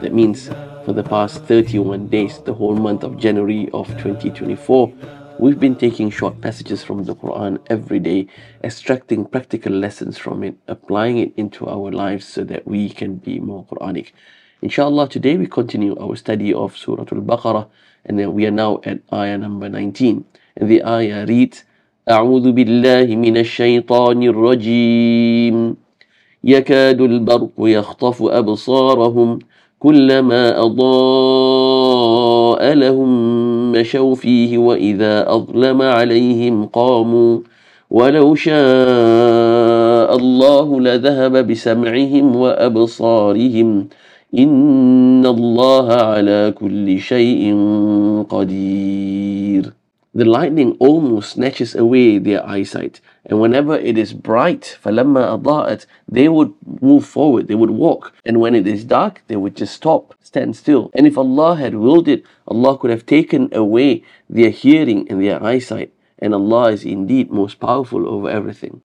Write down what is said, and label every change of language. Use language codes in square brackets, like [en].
[en] That means for the past 31 days, the whole month of January of 2024, we've been taking short passages from the Quran every day, extracting practical lessons from it, applying it into our lives so that we can be more Quranic. Inshallah, today we continue our study of Surat al-Baqarah, and then we are now at ayah number 19. And the ayah reads, [ar] أعوذ بالله من الشيطان الرجيم يكاد البرق يخطف أبصارهم كلما أضاء لهم مشوا فيه وإذا أظلم عليهم قاموا ولو شاء الله لذهب بسمعهم وأبصارهم إن الله على كل شيء قدير. [en] The lightning almost snatches away their eyesight, and whenever it is bright, [ar] فَلَمَّا أَضَاءَتْ, [en] they would move forward, they would walk, and when it is dark, they would just stop, stand still. And if Allah had willed it, Allah could have taken away their hearing and their eyesight, and Allah is indeed most powerful over everything.